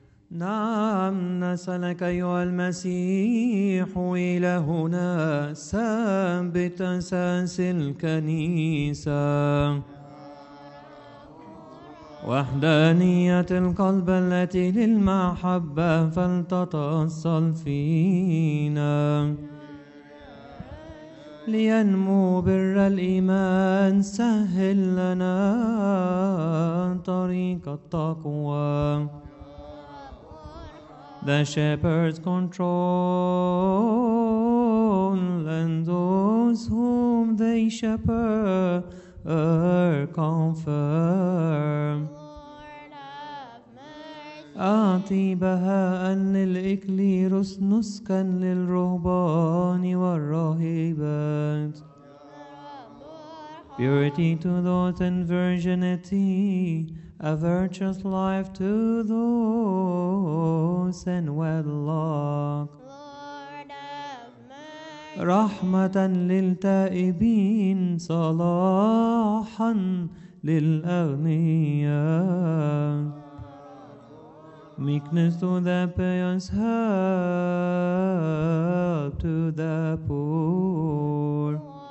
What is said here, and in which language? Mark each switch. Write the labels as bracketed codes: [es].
[ar] نعم نسألك أيها المسيح إلهنا ثابت أساس الكنيسة وحدانية القلب التي للمحبة فلتتأصل فينا لينمو بر الإيمان سهل لنا طريق التقوى. [en] The shepherds control and those whom they shepherd confirm. Lord of mercy. [ar] أعطي بهاء للإكليروس نسكا للرهبان والراهبات. [en] Purity to those and virginity. A virtuous life to those in wedlock. Lord of mercy. [ar] رحمة للتائبين صلاحا للأغنياء. [en] Meekness to the pious, help to the poor.